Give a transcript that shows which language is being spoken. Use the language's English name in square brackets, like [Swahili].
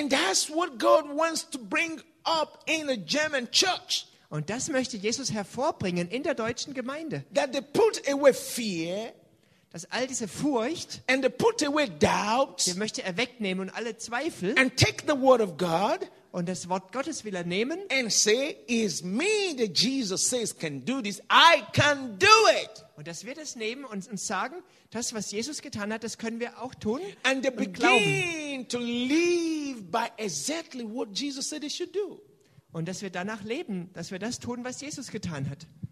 [English] And that's what God wants to bring up in a German church. [German] Und das möchte Jesus hervorbringen in der deutschen Gemeinde. [English] That they put away fear. [German] Dass all diese Furcht, [English] and they put away doubts, [German] die möchte er wegnehmen und alle Zweifel, [English] and take the word of God, [German] und das Wort Gottes will er nehmen, [English] and say, is me that Jesus says can do this, I can do it. [German] Und das wird es nehmen und uns sagen, das, was Jesus getan hat, das können wir auch tun. [English] And they begin to live by exactly what Jesus said they should do. [German] Und dass wir danach leben, dass wir das tun, was Jesus getan hat.